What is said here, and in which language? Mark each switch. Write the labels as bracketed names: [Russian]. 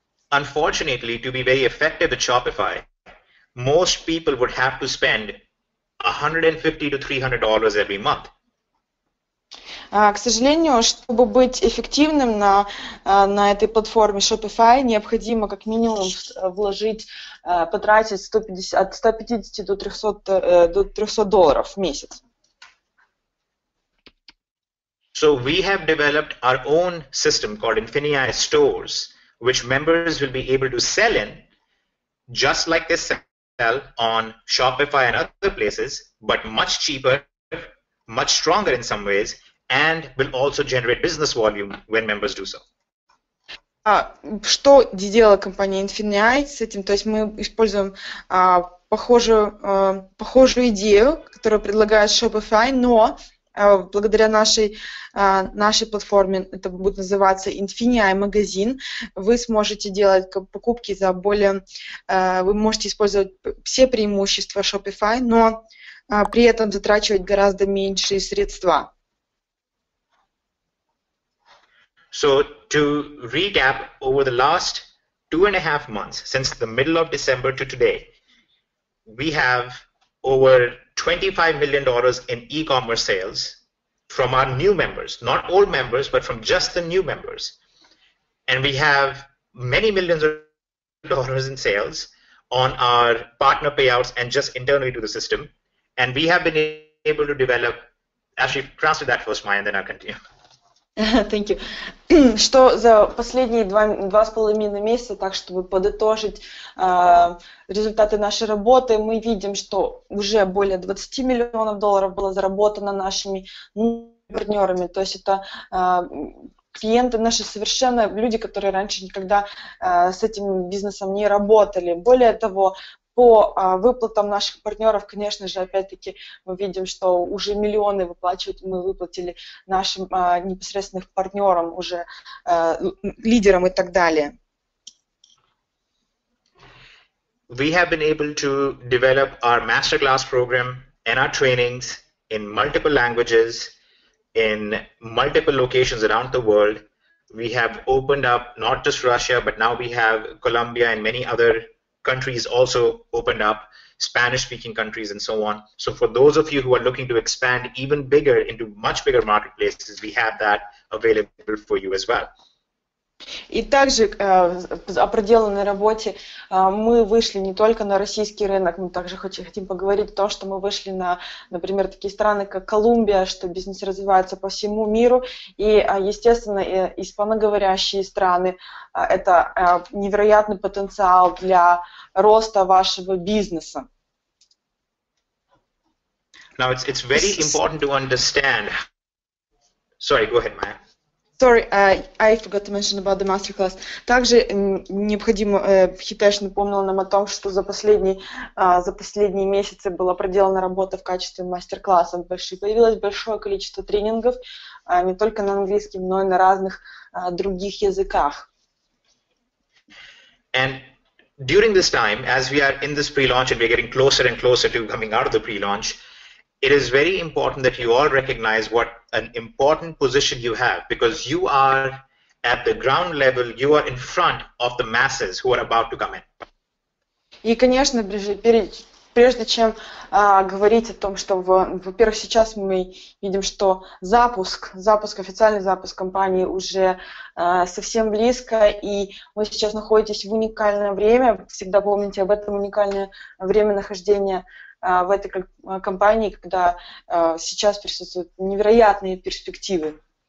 [English] Unfortunately, to be very effective at Shopify, most people would have to spend $150 to $300 every month. [Russian] К сожалению, чтобы быть эффективным на этой платформе Shopify, необходимо как минимум потратить $150 to $300 в месяц. [English] So we have developed our own system called Infinii Stores, which members will be able to sell in just like they sell on Shopify and other places, but much cheaper, much stronger in some ways, and will also generate business volume when members do so. [Russian] Что сделала компания Infinii с этим? То есть мы используем похожую идею, которую предлагает Shopify, но благодаря нашей платформе, это будет называться Infinii магазин, вы сможете делать покупки за более, вы можете использовать все преимущества Shopify, но при этом затрачивать гораздо меньшие средства. [English] So to recap, over the last 2.5 months, since the middle of December to today, we have over $25 million in e-commerce sales from our new members, not old members, but from just the new members. And we have many millions of dollars in sales on our partner payouts and just internally to the system. And we have been able to develop, actually translate that first, Maya, and then I'll continue. Thank you. [Russian] Что за последние два с половиной месяца, так чтобы подытожить результаты нашей работы, мы видим, что уже более $20 миллионов было заработано нашими партнерами. То есть это клиенты наши совершенно, люди, которые раньше никогда с этим бизнесом не работали. Более того, по выплатам наших партнеров, конечно же, опять-таки, мы видим, что уже миллионы выплачивать мы выплатили нашим непосредственным партнерам, уже лидерам и так далее. [English] We have been able to develop our masterclass program and our trainings in multiple languages, in multiple locations around the world. We have opened up not just Russia, but now we have Colombia and many other countries also opened up, Spanish-speaking countries and so on. So for those of you who are looking to expand even bigger into much bigger marketplaces, we have that available for you as well. [Russian] И также о проделанной работе мы вышли не только на российский рынок, мы также хотим поговорить о том, что мы вышли на, например, такие страны, как Колумбия, что бизнес развивается по всему миру, и, естественно, испаноговорящие страны – это невероятный потенциал для роста вашего бизнеса. [English] Now, it's very important to understand. Sorry, go ahead, Maya. Sorry, I forgot to mention about the masterclass. [Russian] Также необходимо, Хитеш напомнил нам о том, что за последние месяцы была проделана работа в качестве мастер-класса. Появилось большое количество тренингов, не только на английском, но и на разных других языках. [English] And during this time, as we are in this pre-launch and we're getting closer and closer to coming out of the pre-launch, it is very important that you all recognize what an important position you have, because you are at the ground level, you are in front of the masses who are about to come in. [Russian] И, конечно, прежде чем говорить о том, что, во-первых, сейчас мы видим, что официальный запуск компании уже совсем близко, и вы сейчас находитесь в уникальное время. Всегда помните об этом уникальное время нахождения в этой компании, когда сейчас присутствуют невероятные перспективы.